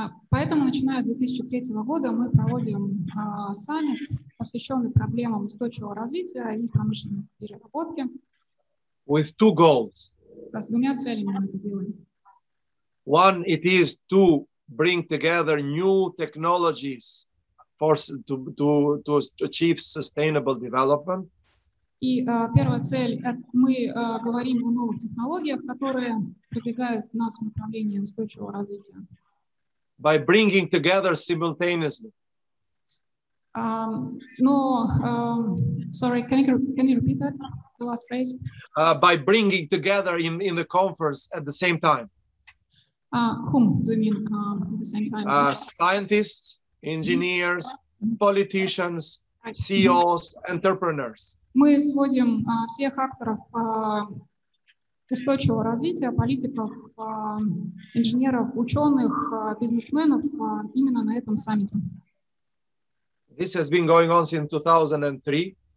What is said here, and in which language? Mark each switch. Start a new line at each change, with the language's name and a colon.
Russian: Поэтому, начиная с 2003 года, мы проводим саммит, посвященный проблемам устойчивого развития и промышленной переработки.
English: With two goals.
Russian: С двумя целями мы это делаем.
English: One, it is to bring together new technologies to achieve sustainable development.
Russian: И первая цель – мы говорим о новых технологиях, которые продвигают нас в направлении устойчивого развития.
English: By bringing together simultaneously. Can you repeat that, the last phrase? By bringing together in the conference at the same time. Whom do you mean at the same time? Scientists, engineers, mm-hmm. politicians, CEOs, mm-hmm. entrepreneurs.
Russian: Мы сводим всех акторов устойчивого развития, политиков, инженеров, ученых, бизнесменов именно на этом саммите.
English: This has been going on since 2003.